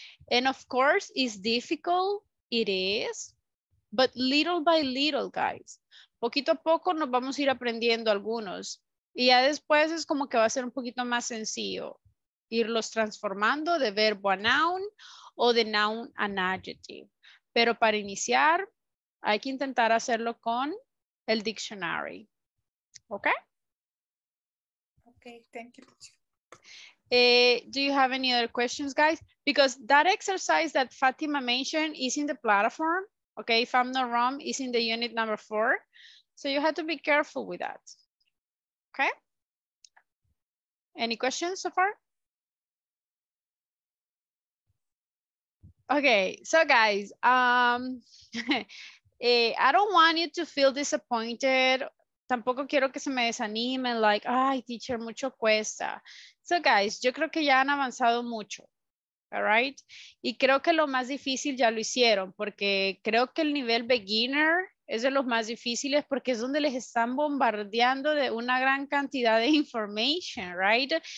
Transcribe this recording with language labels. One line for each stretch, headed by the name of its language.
English: And of course, it's difficult, it is, but little by little, guys.
Spanish: Poquito a poco nos vamos a ir aprendiendo algunos. Y ya después es como que va a ser un poquito más sencillo irlos transformando de verbo a noun o de noun a adjective. Pero para iniciar, hay que intentar hacerlo con el dictionary.
English: Okay? Okay, thank you. Do you have any other questions, guys? Because that exercise that Fatima mentioned is in the platform, okay? If I'm not wrong, is in the unit number 4. So you have to be careful with that, okay? Any questions so far? Okay, so guys, I don't want you to feel disappointed.
Spanish: Tampoco quiero que se me desanimen, like, ay, teacher, mucho cuesta.
English: So guys,
Spanish: yo creo que ya han avanzado mucho,
English: all right?
Spanish: Y creo que lo más difícil ya lo hicieron, porque creo que el nivel beginner es de los más difíciles porque es donde les están bombardeando de una gran cantidad de information,
English: right?